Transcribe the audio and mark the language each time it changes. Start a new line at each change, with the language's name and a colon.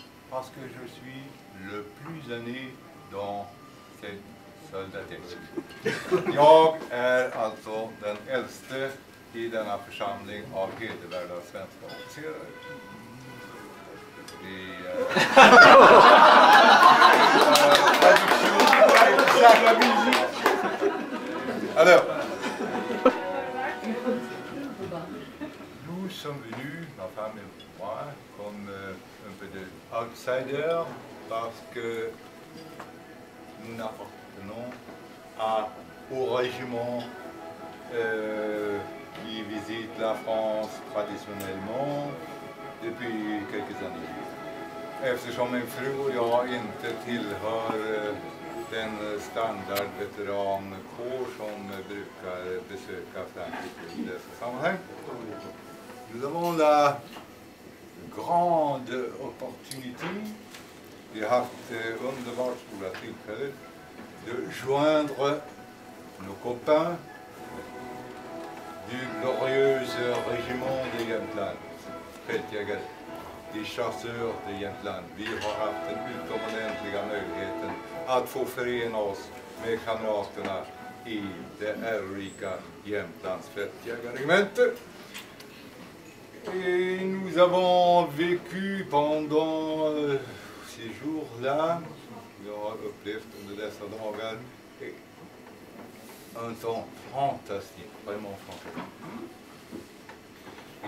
French: Parce que je suis le plus âgé dans cette soldatesse.
Swedish: Jag är alltså den äldste i denna församling av hedervärda svenska officerare.
French: Alors, sommes venus, ma femme et moi, comme un peu d'outsiders, parce que nous n'appartenons au régiment qui visite la France traditionnellement depuis quelques années.
Swedish: Eftersom min fru och jag inte tillhör den standardveterankår som brukar besöka Frankrike i dessa sammanhang.
French: Nous avons la grande opportunité,
Swedish: vi har haft underbart stora tillfälle,
French: de joindre nos copains du glorieuse régiment de Jämtland, Fältjägare. Des chasseurs de Jämtland.
Swedish: Vi har haft den utomordentliga möjligheten att få förena oss med kamraterna i det ärorika Jämtlands fältjägarregemente.
French: Et nous avons vécu pendant ces jours-là,
Swedish: vi har upplevt under dessa dagar,
French: un temps fantastique, vraiment fantastique.